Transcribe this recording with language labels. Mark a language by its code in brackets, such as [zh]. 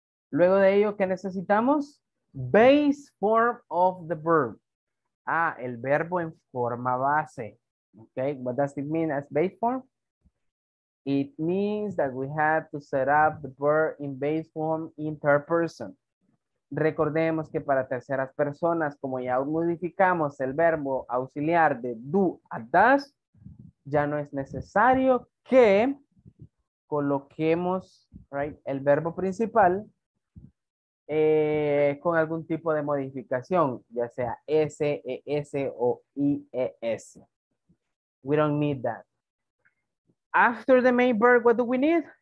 [es] Luego de ello, ¿qué necesitamos? [en] Base form of the verb. [es] Ah, el verbo en forma base. [en] Okay, what does it mean as base form? It means that we have to set up the verb in base form in third person. [es] Recordemos que para terceras personas, como ya modificamos el verbo auxiliar de do a does, ya no es necesario que coloquemos, right, el verbo principal con algún tipo de modificación, ya sea S, E, S o I, E, S. [en] We don't need that. After the main verb, what do we need?